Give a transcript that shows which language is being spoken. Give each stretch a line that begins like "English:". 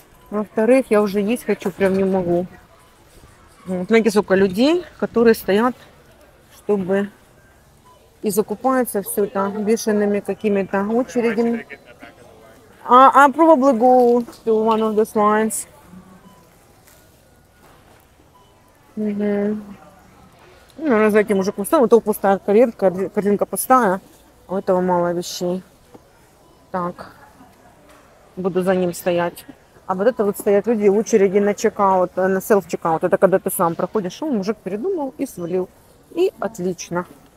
Russian: Во-вторых, я уже есть хочу, прям не могу. Вот, знаете, сколько людей, которые стоят, чтобы и закупаются все это бешеными какими-то очередями.
English: I probably go to one of those lines. Mm-hmm.
Russian: Ну, за этим мужиком встал. У того пустая корзинка пустая. У этого мало вещей. Так. Буду за ним стоять. А вот это вот стоят люди в очереди на чекаут, на селф-чекаут. Это когда ты сам проходишь. Он мужик передумал и свалил. И отлично.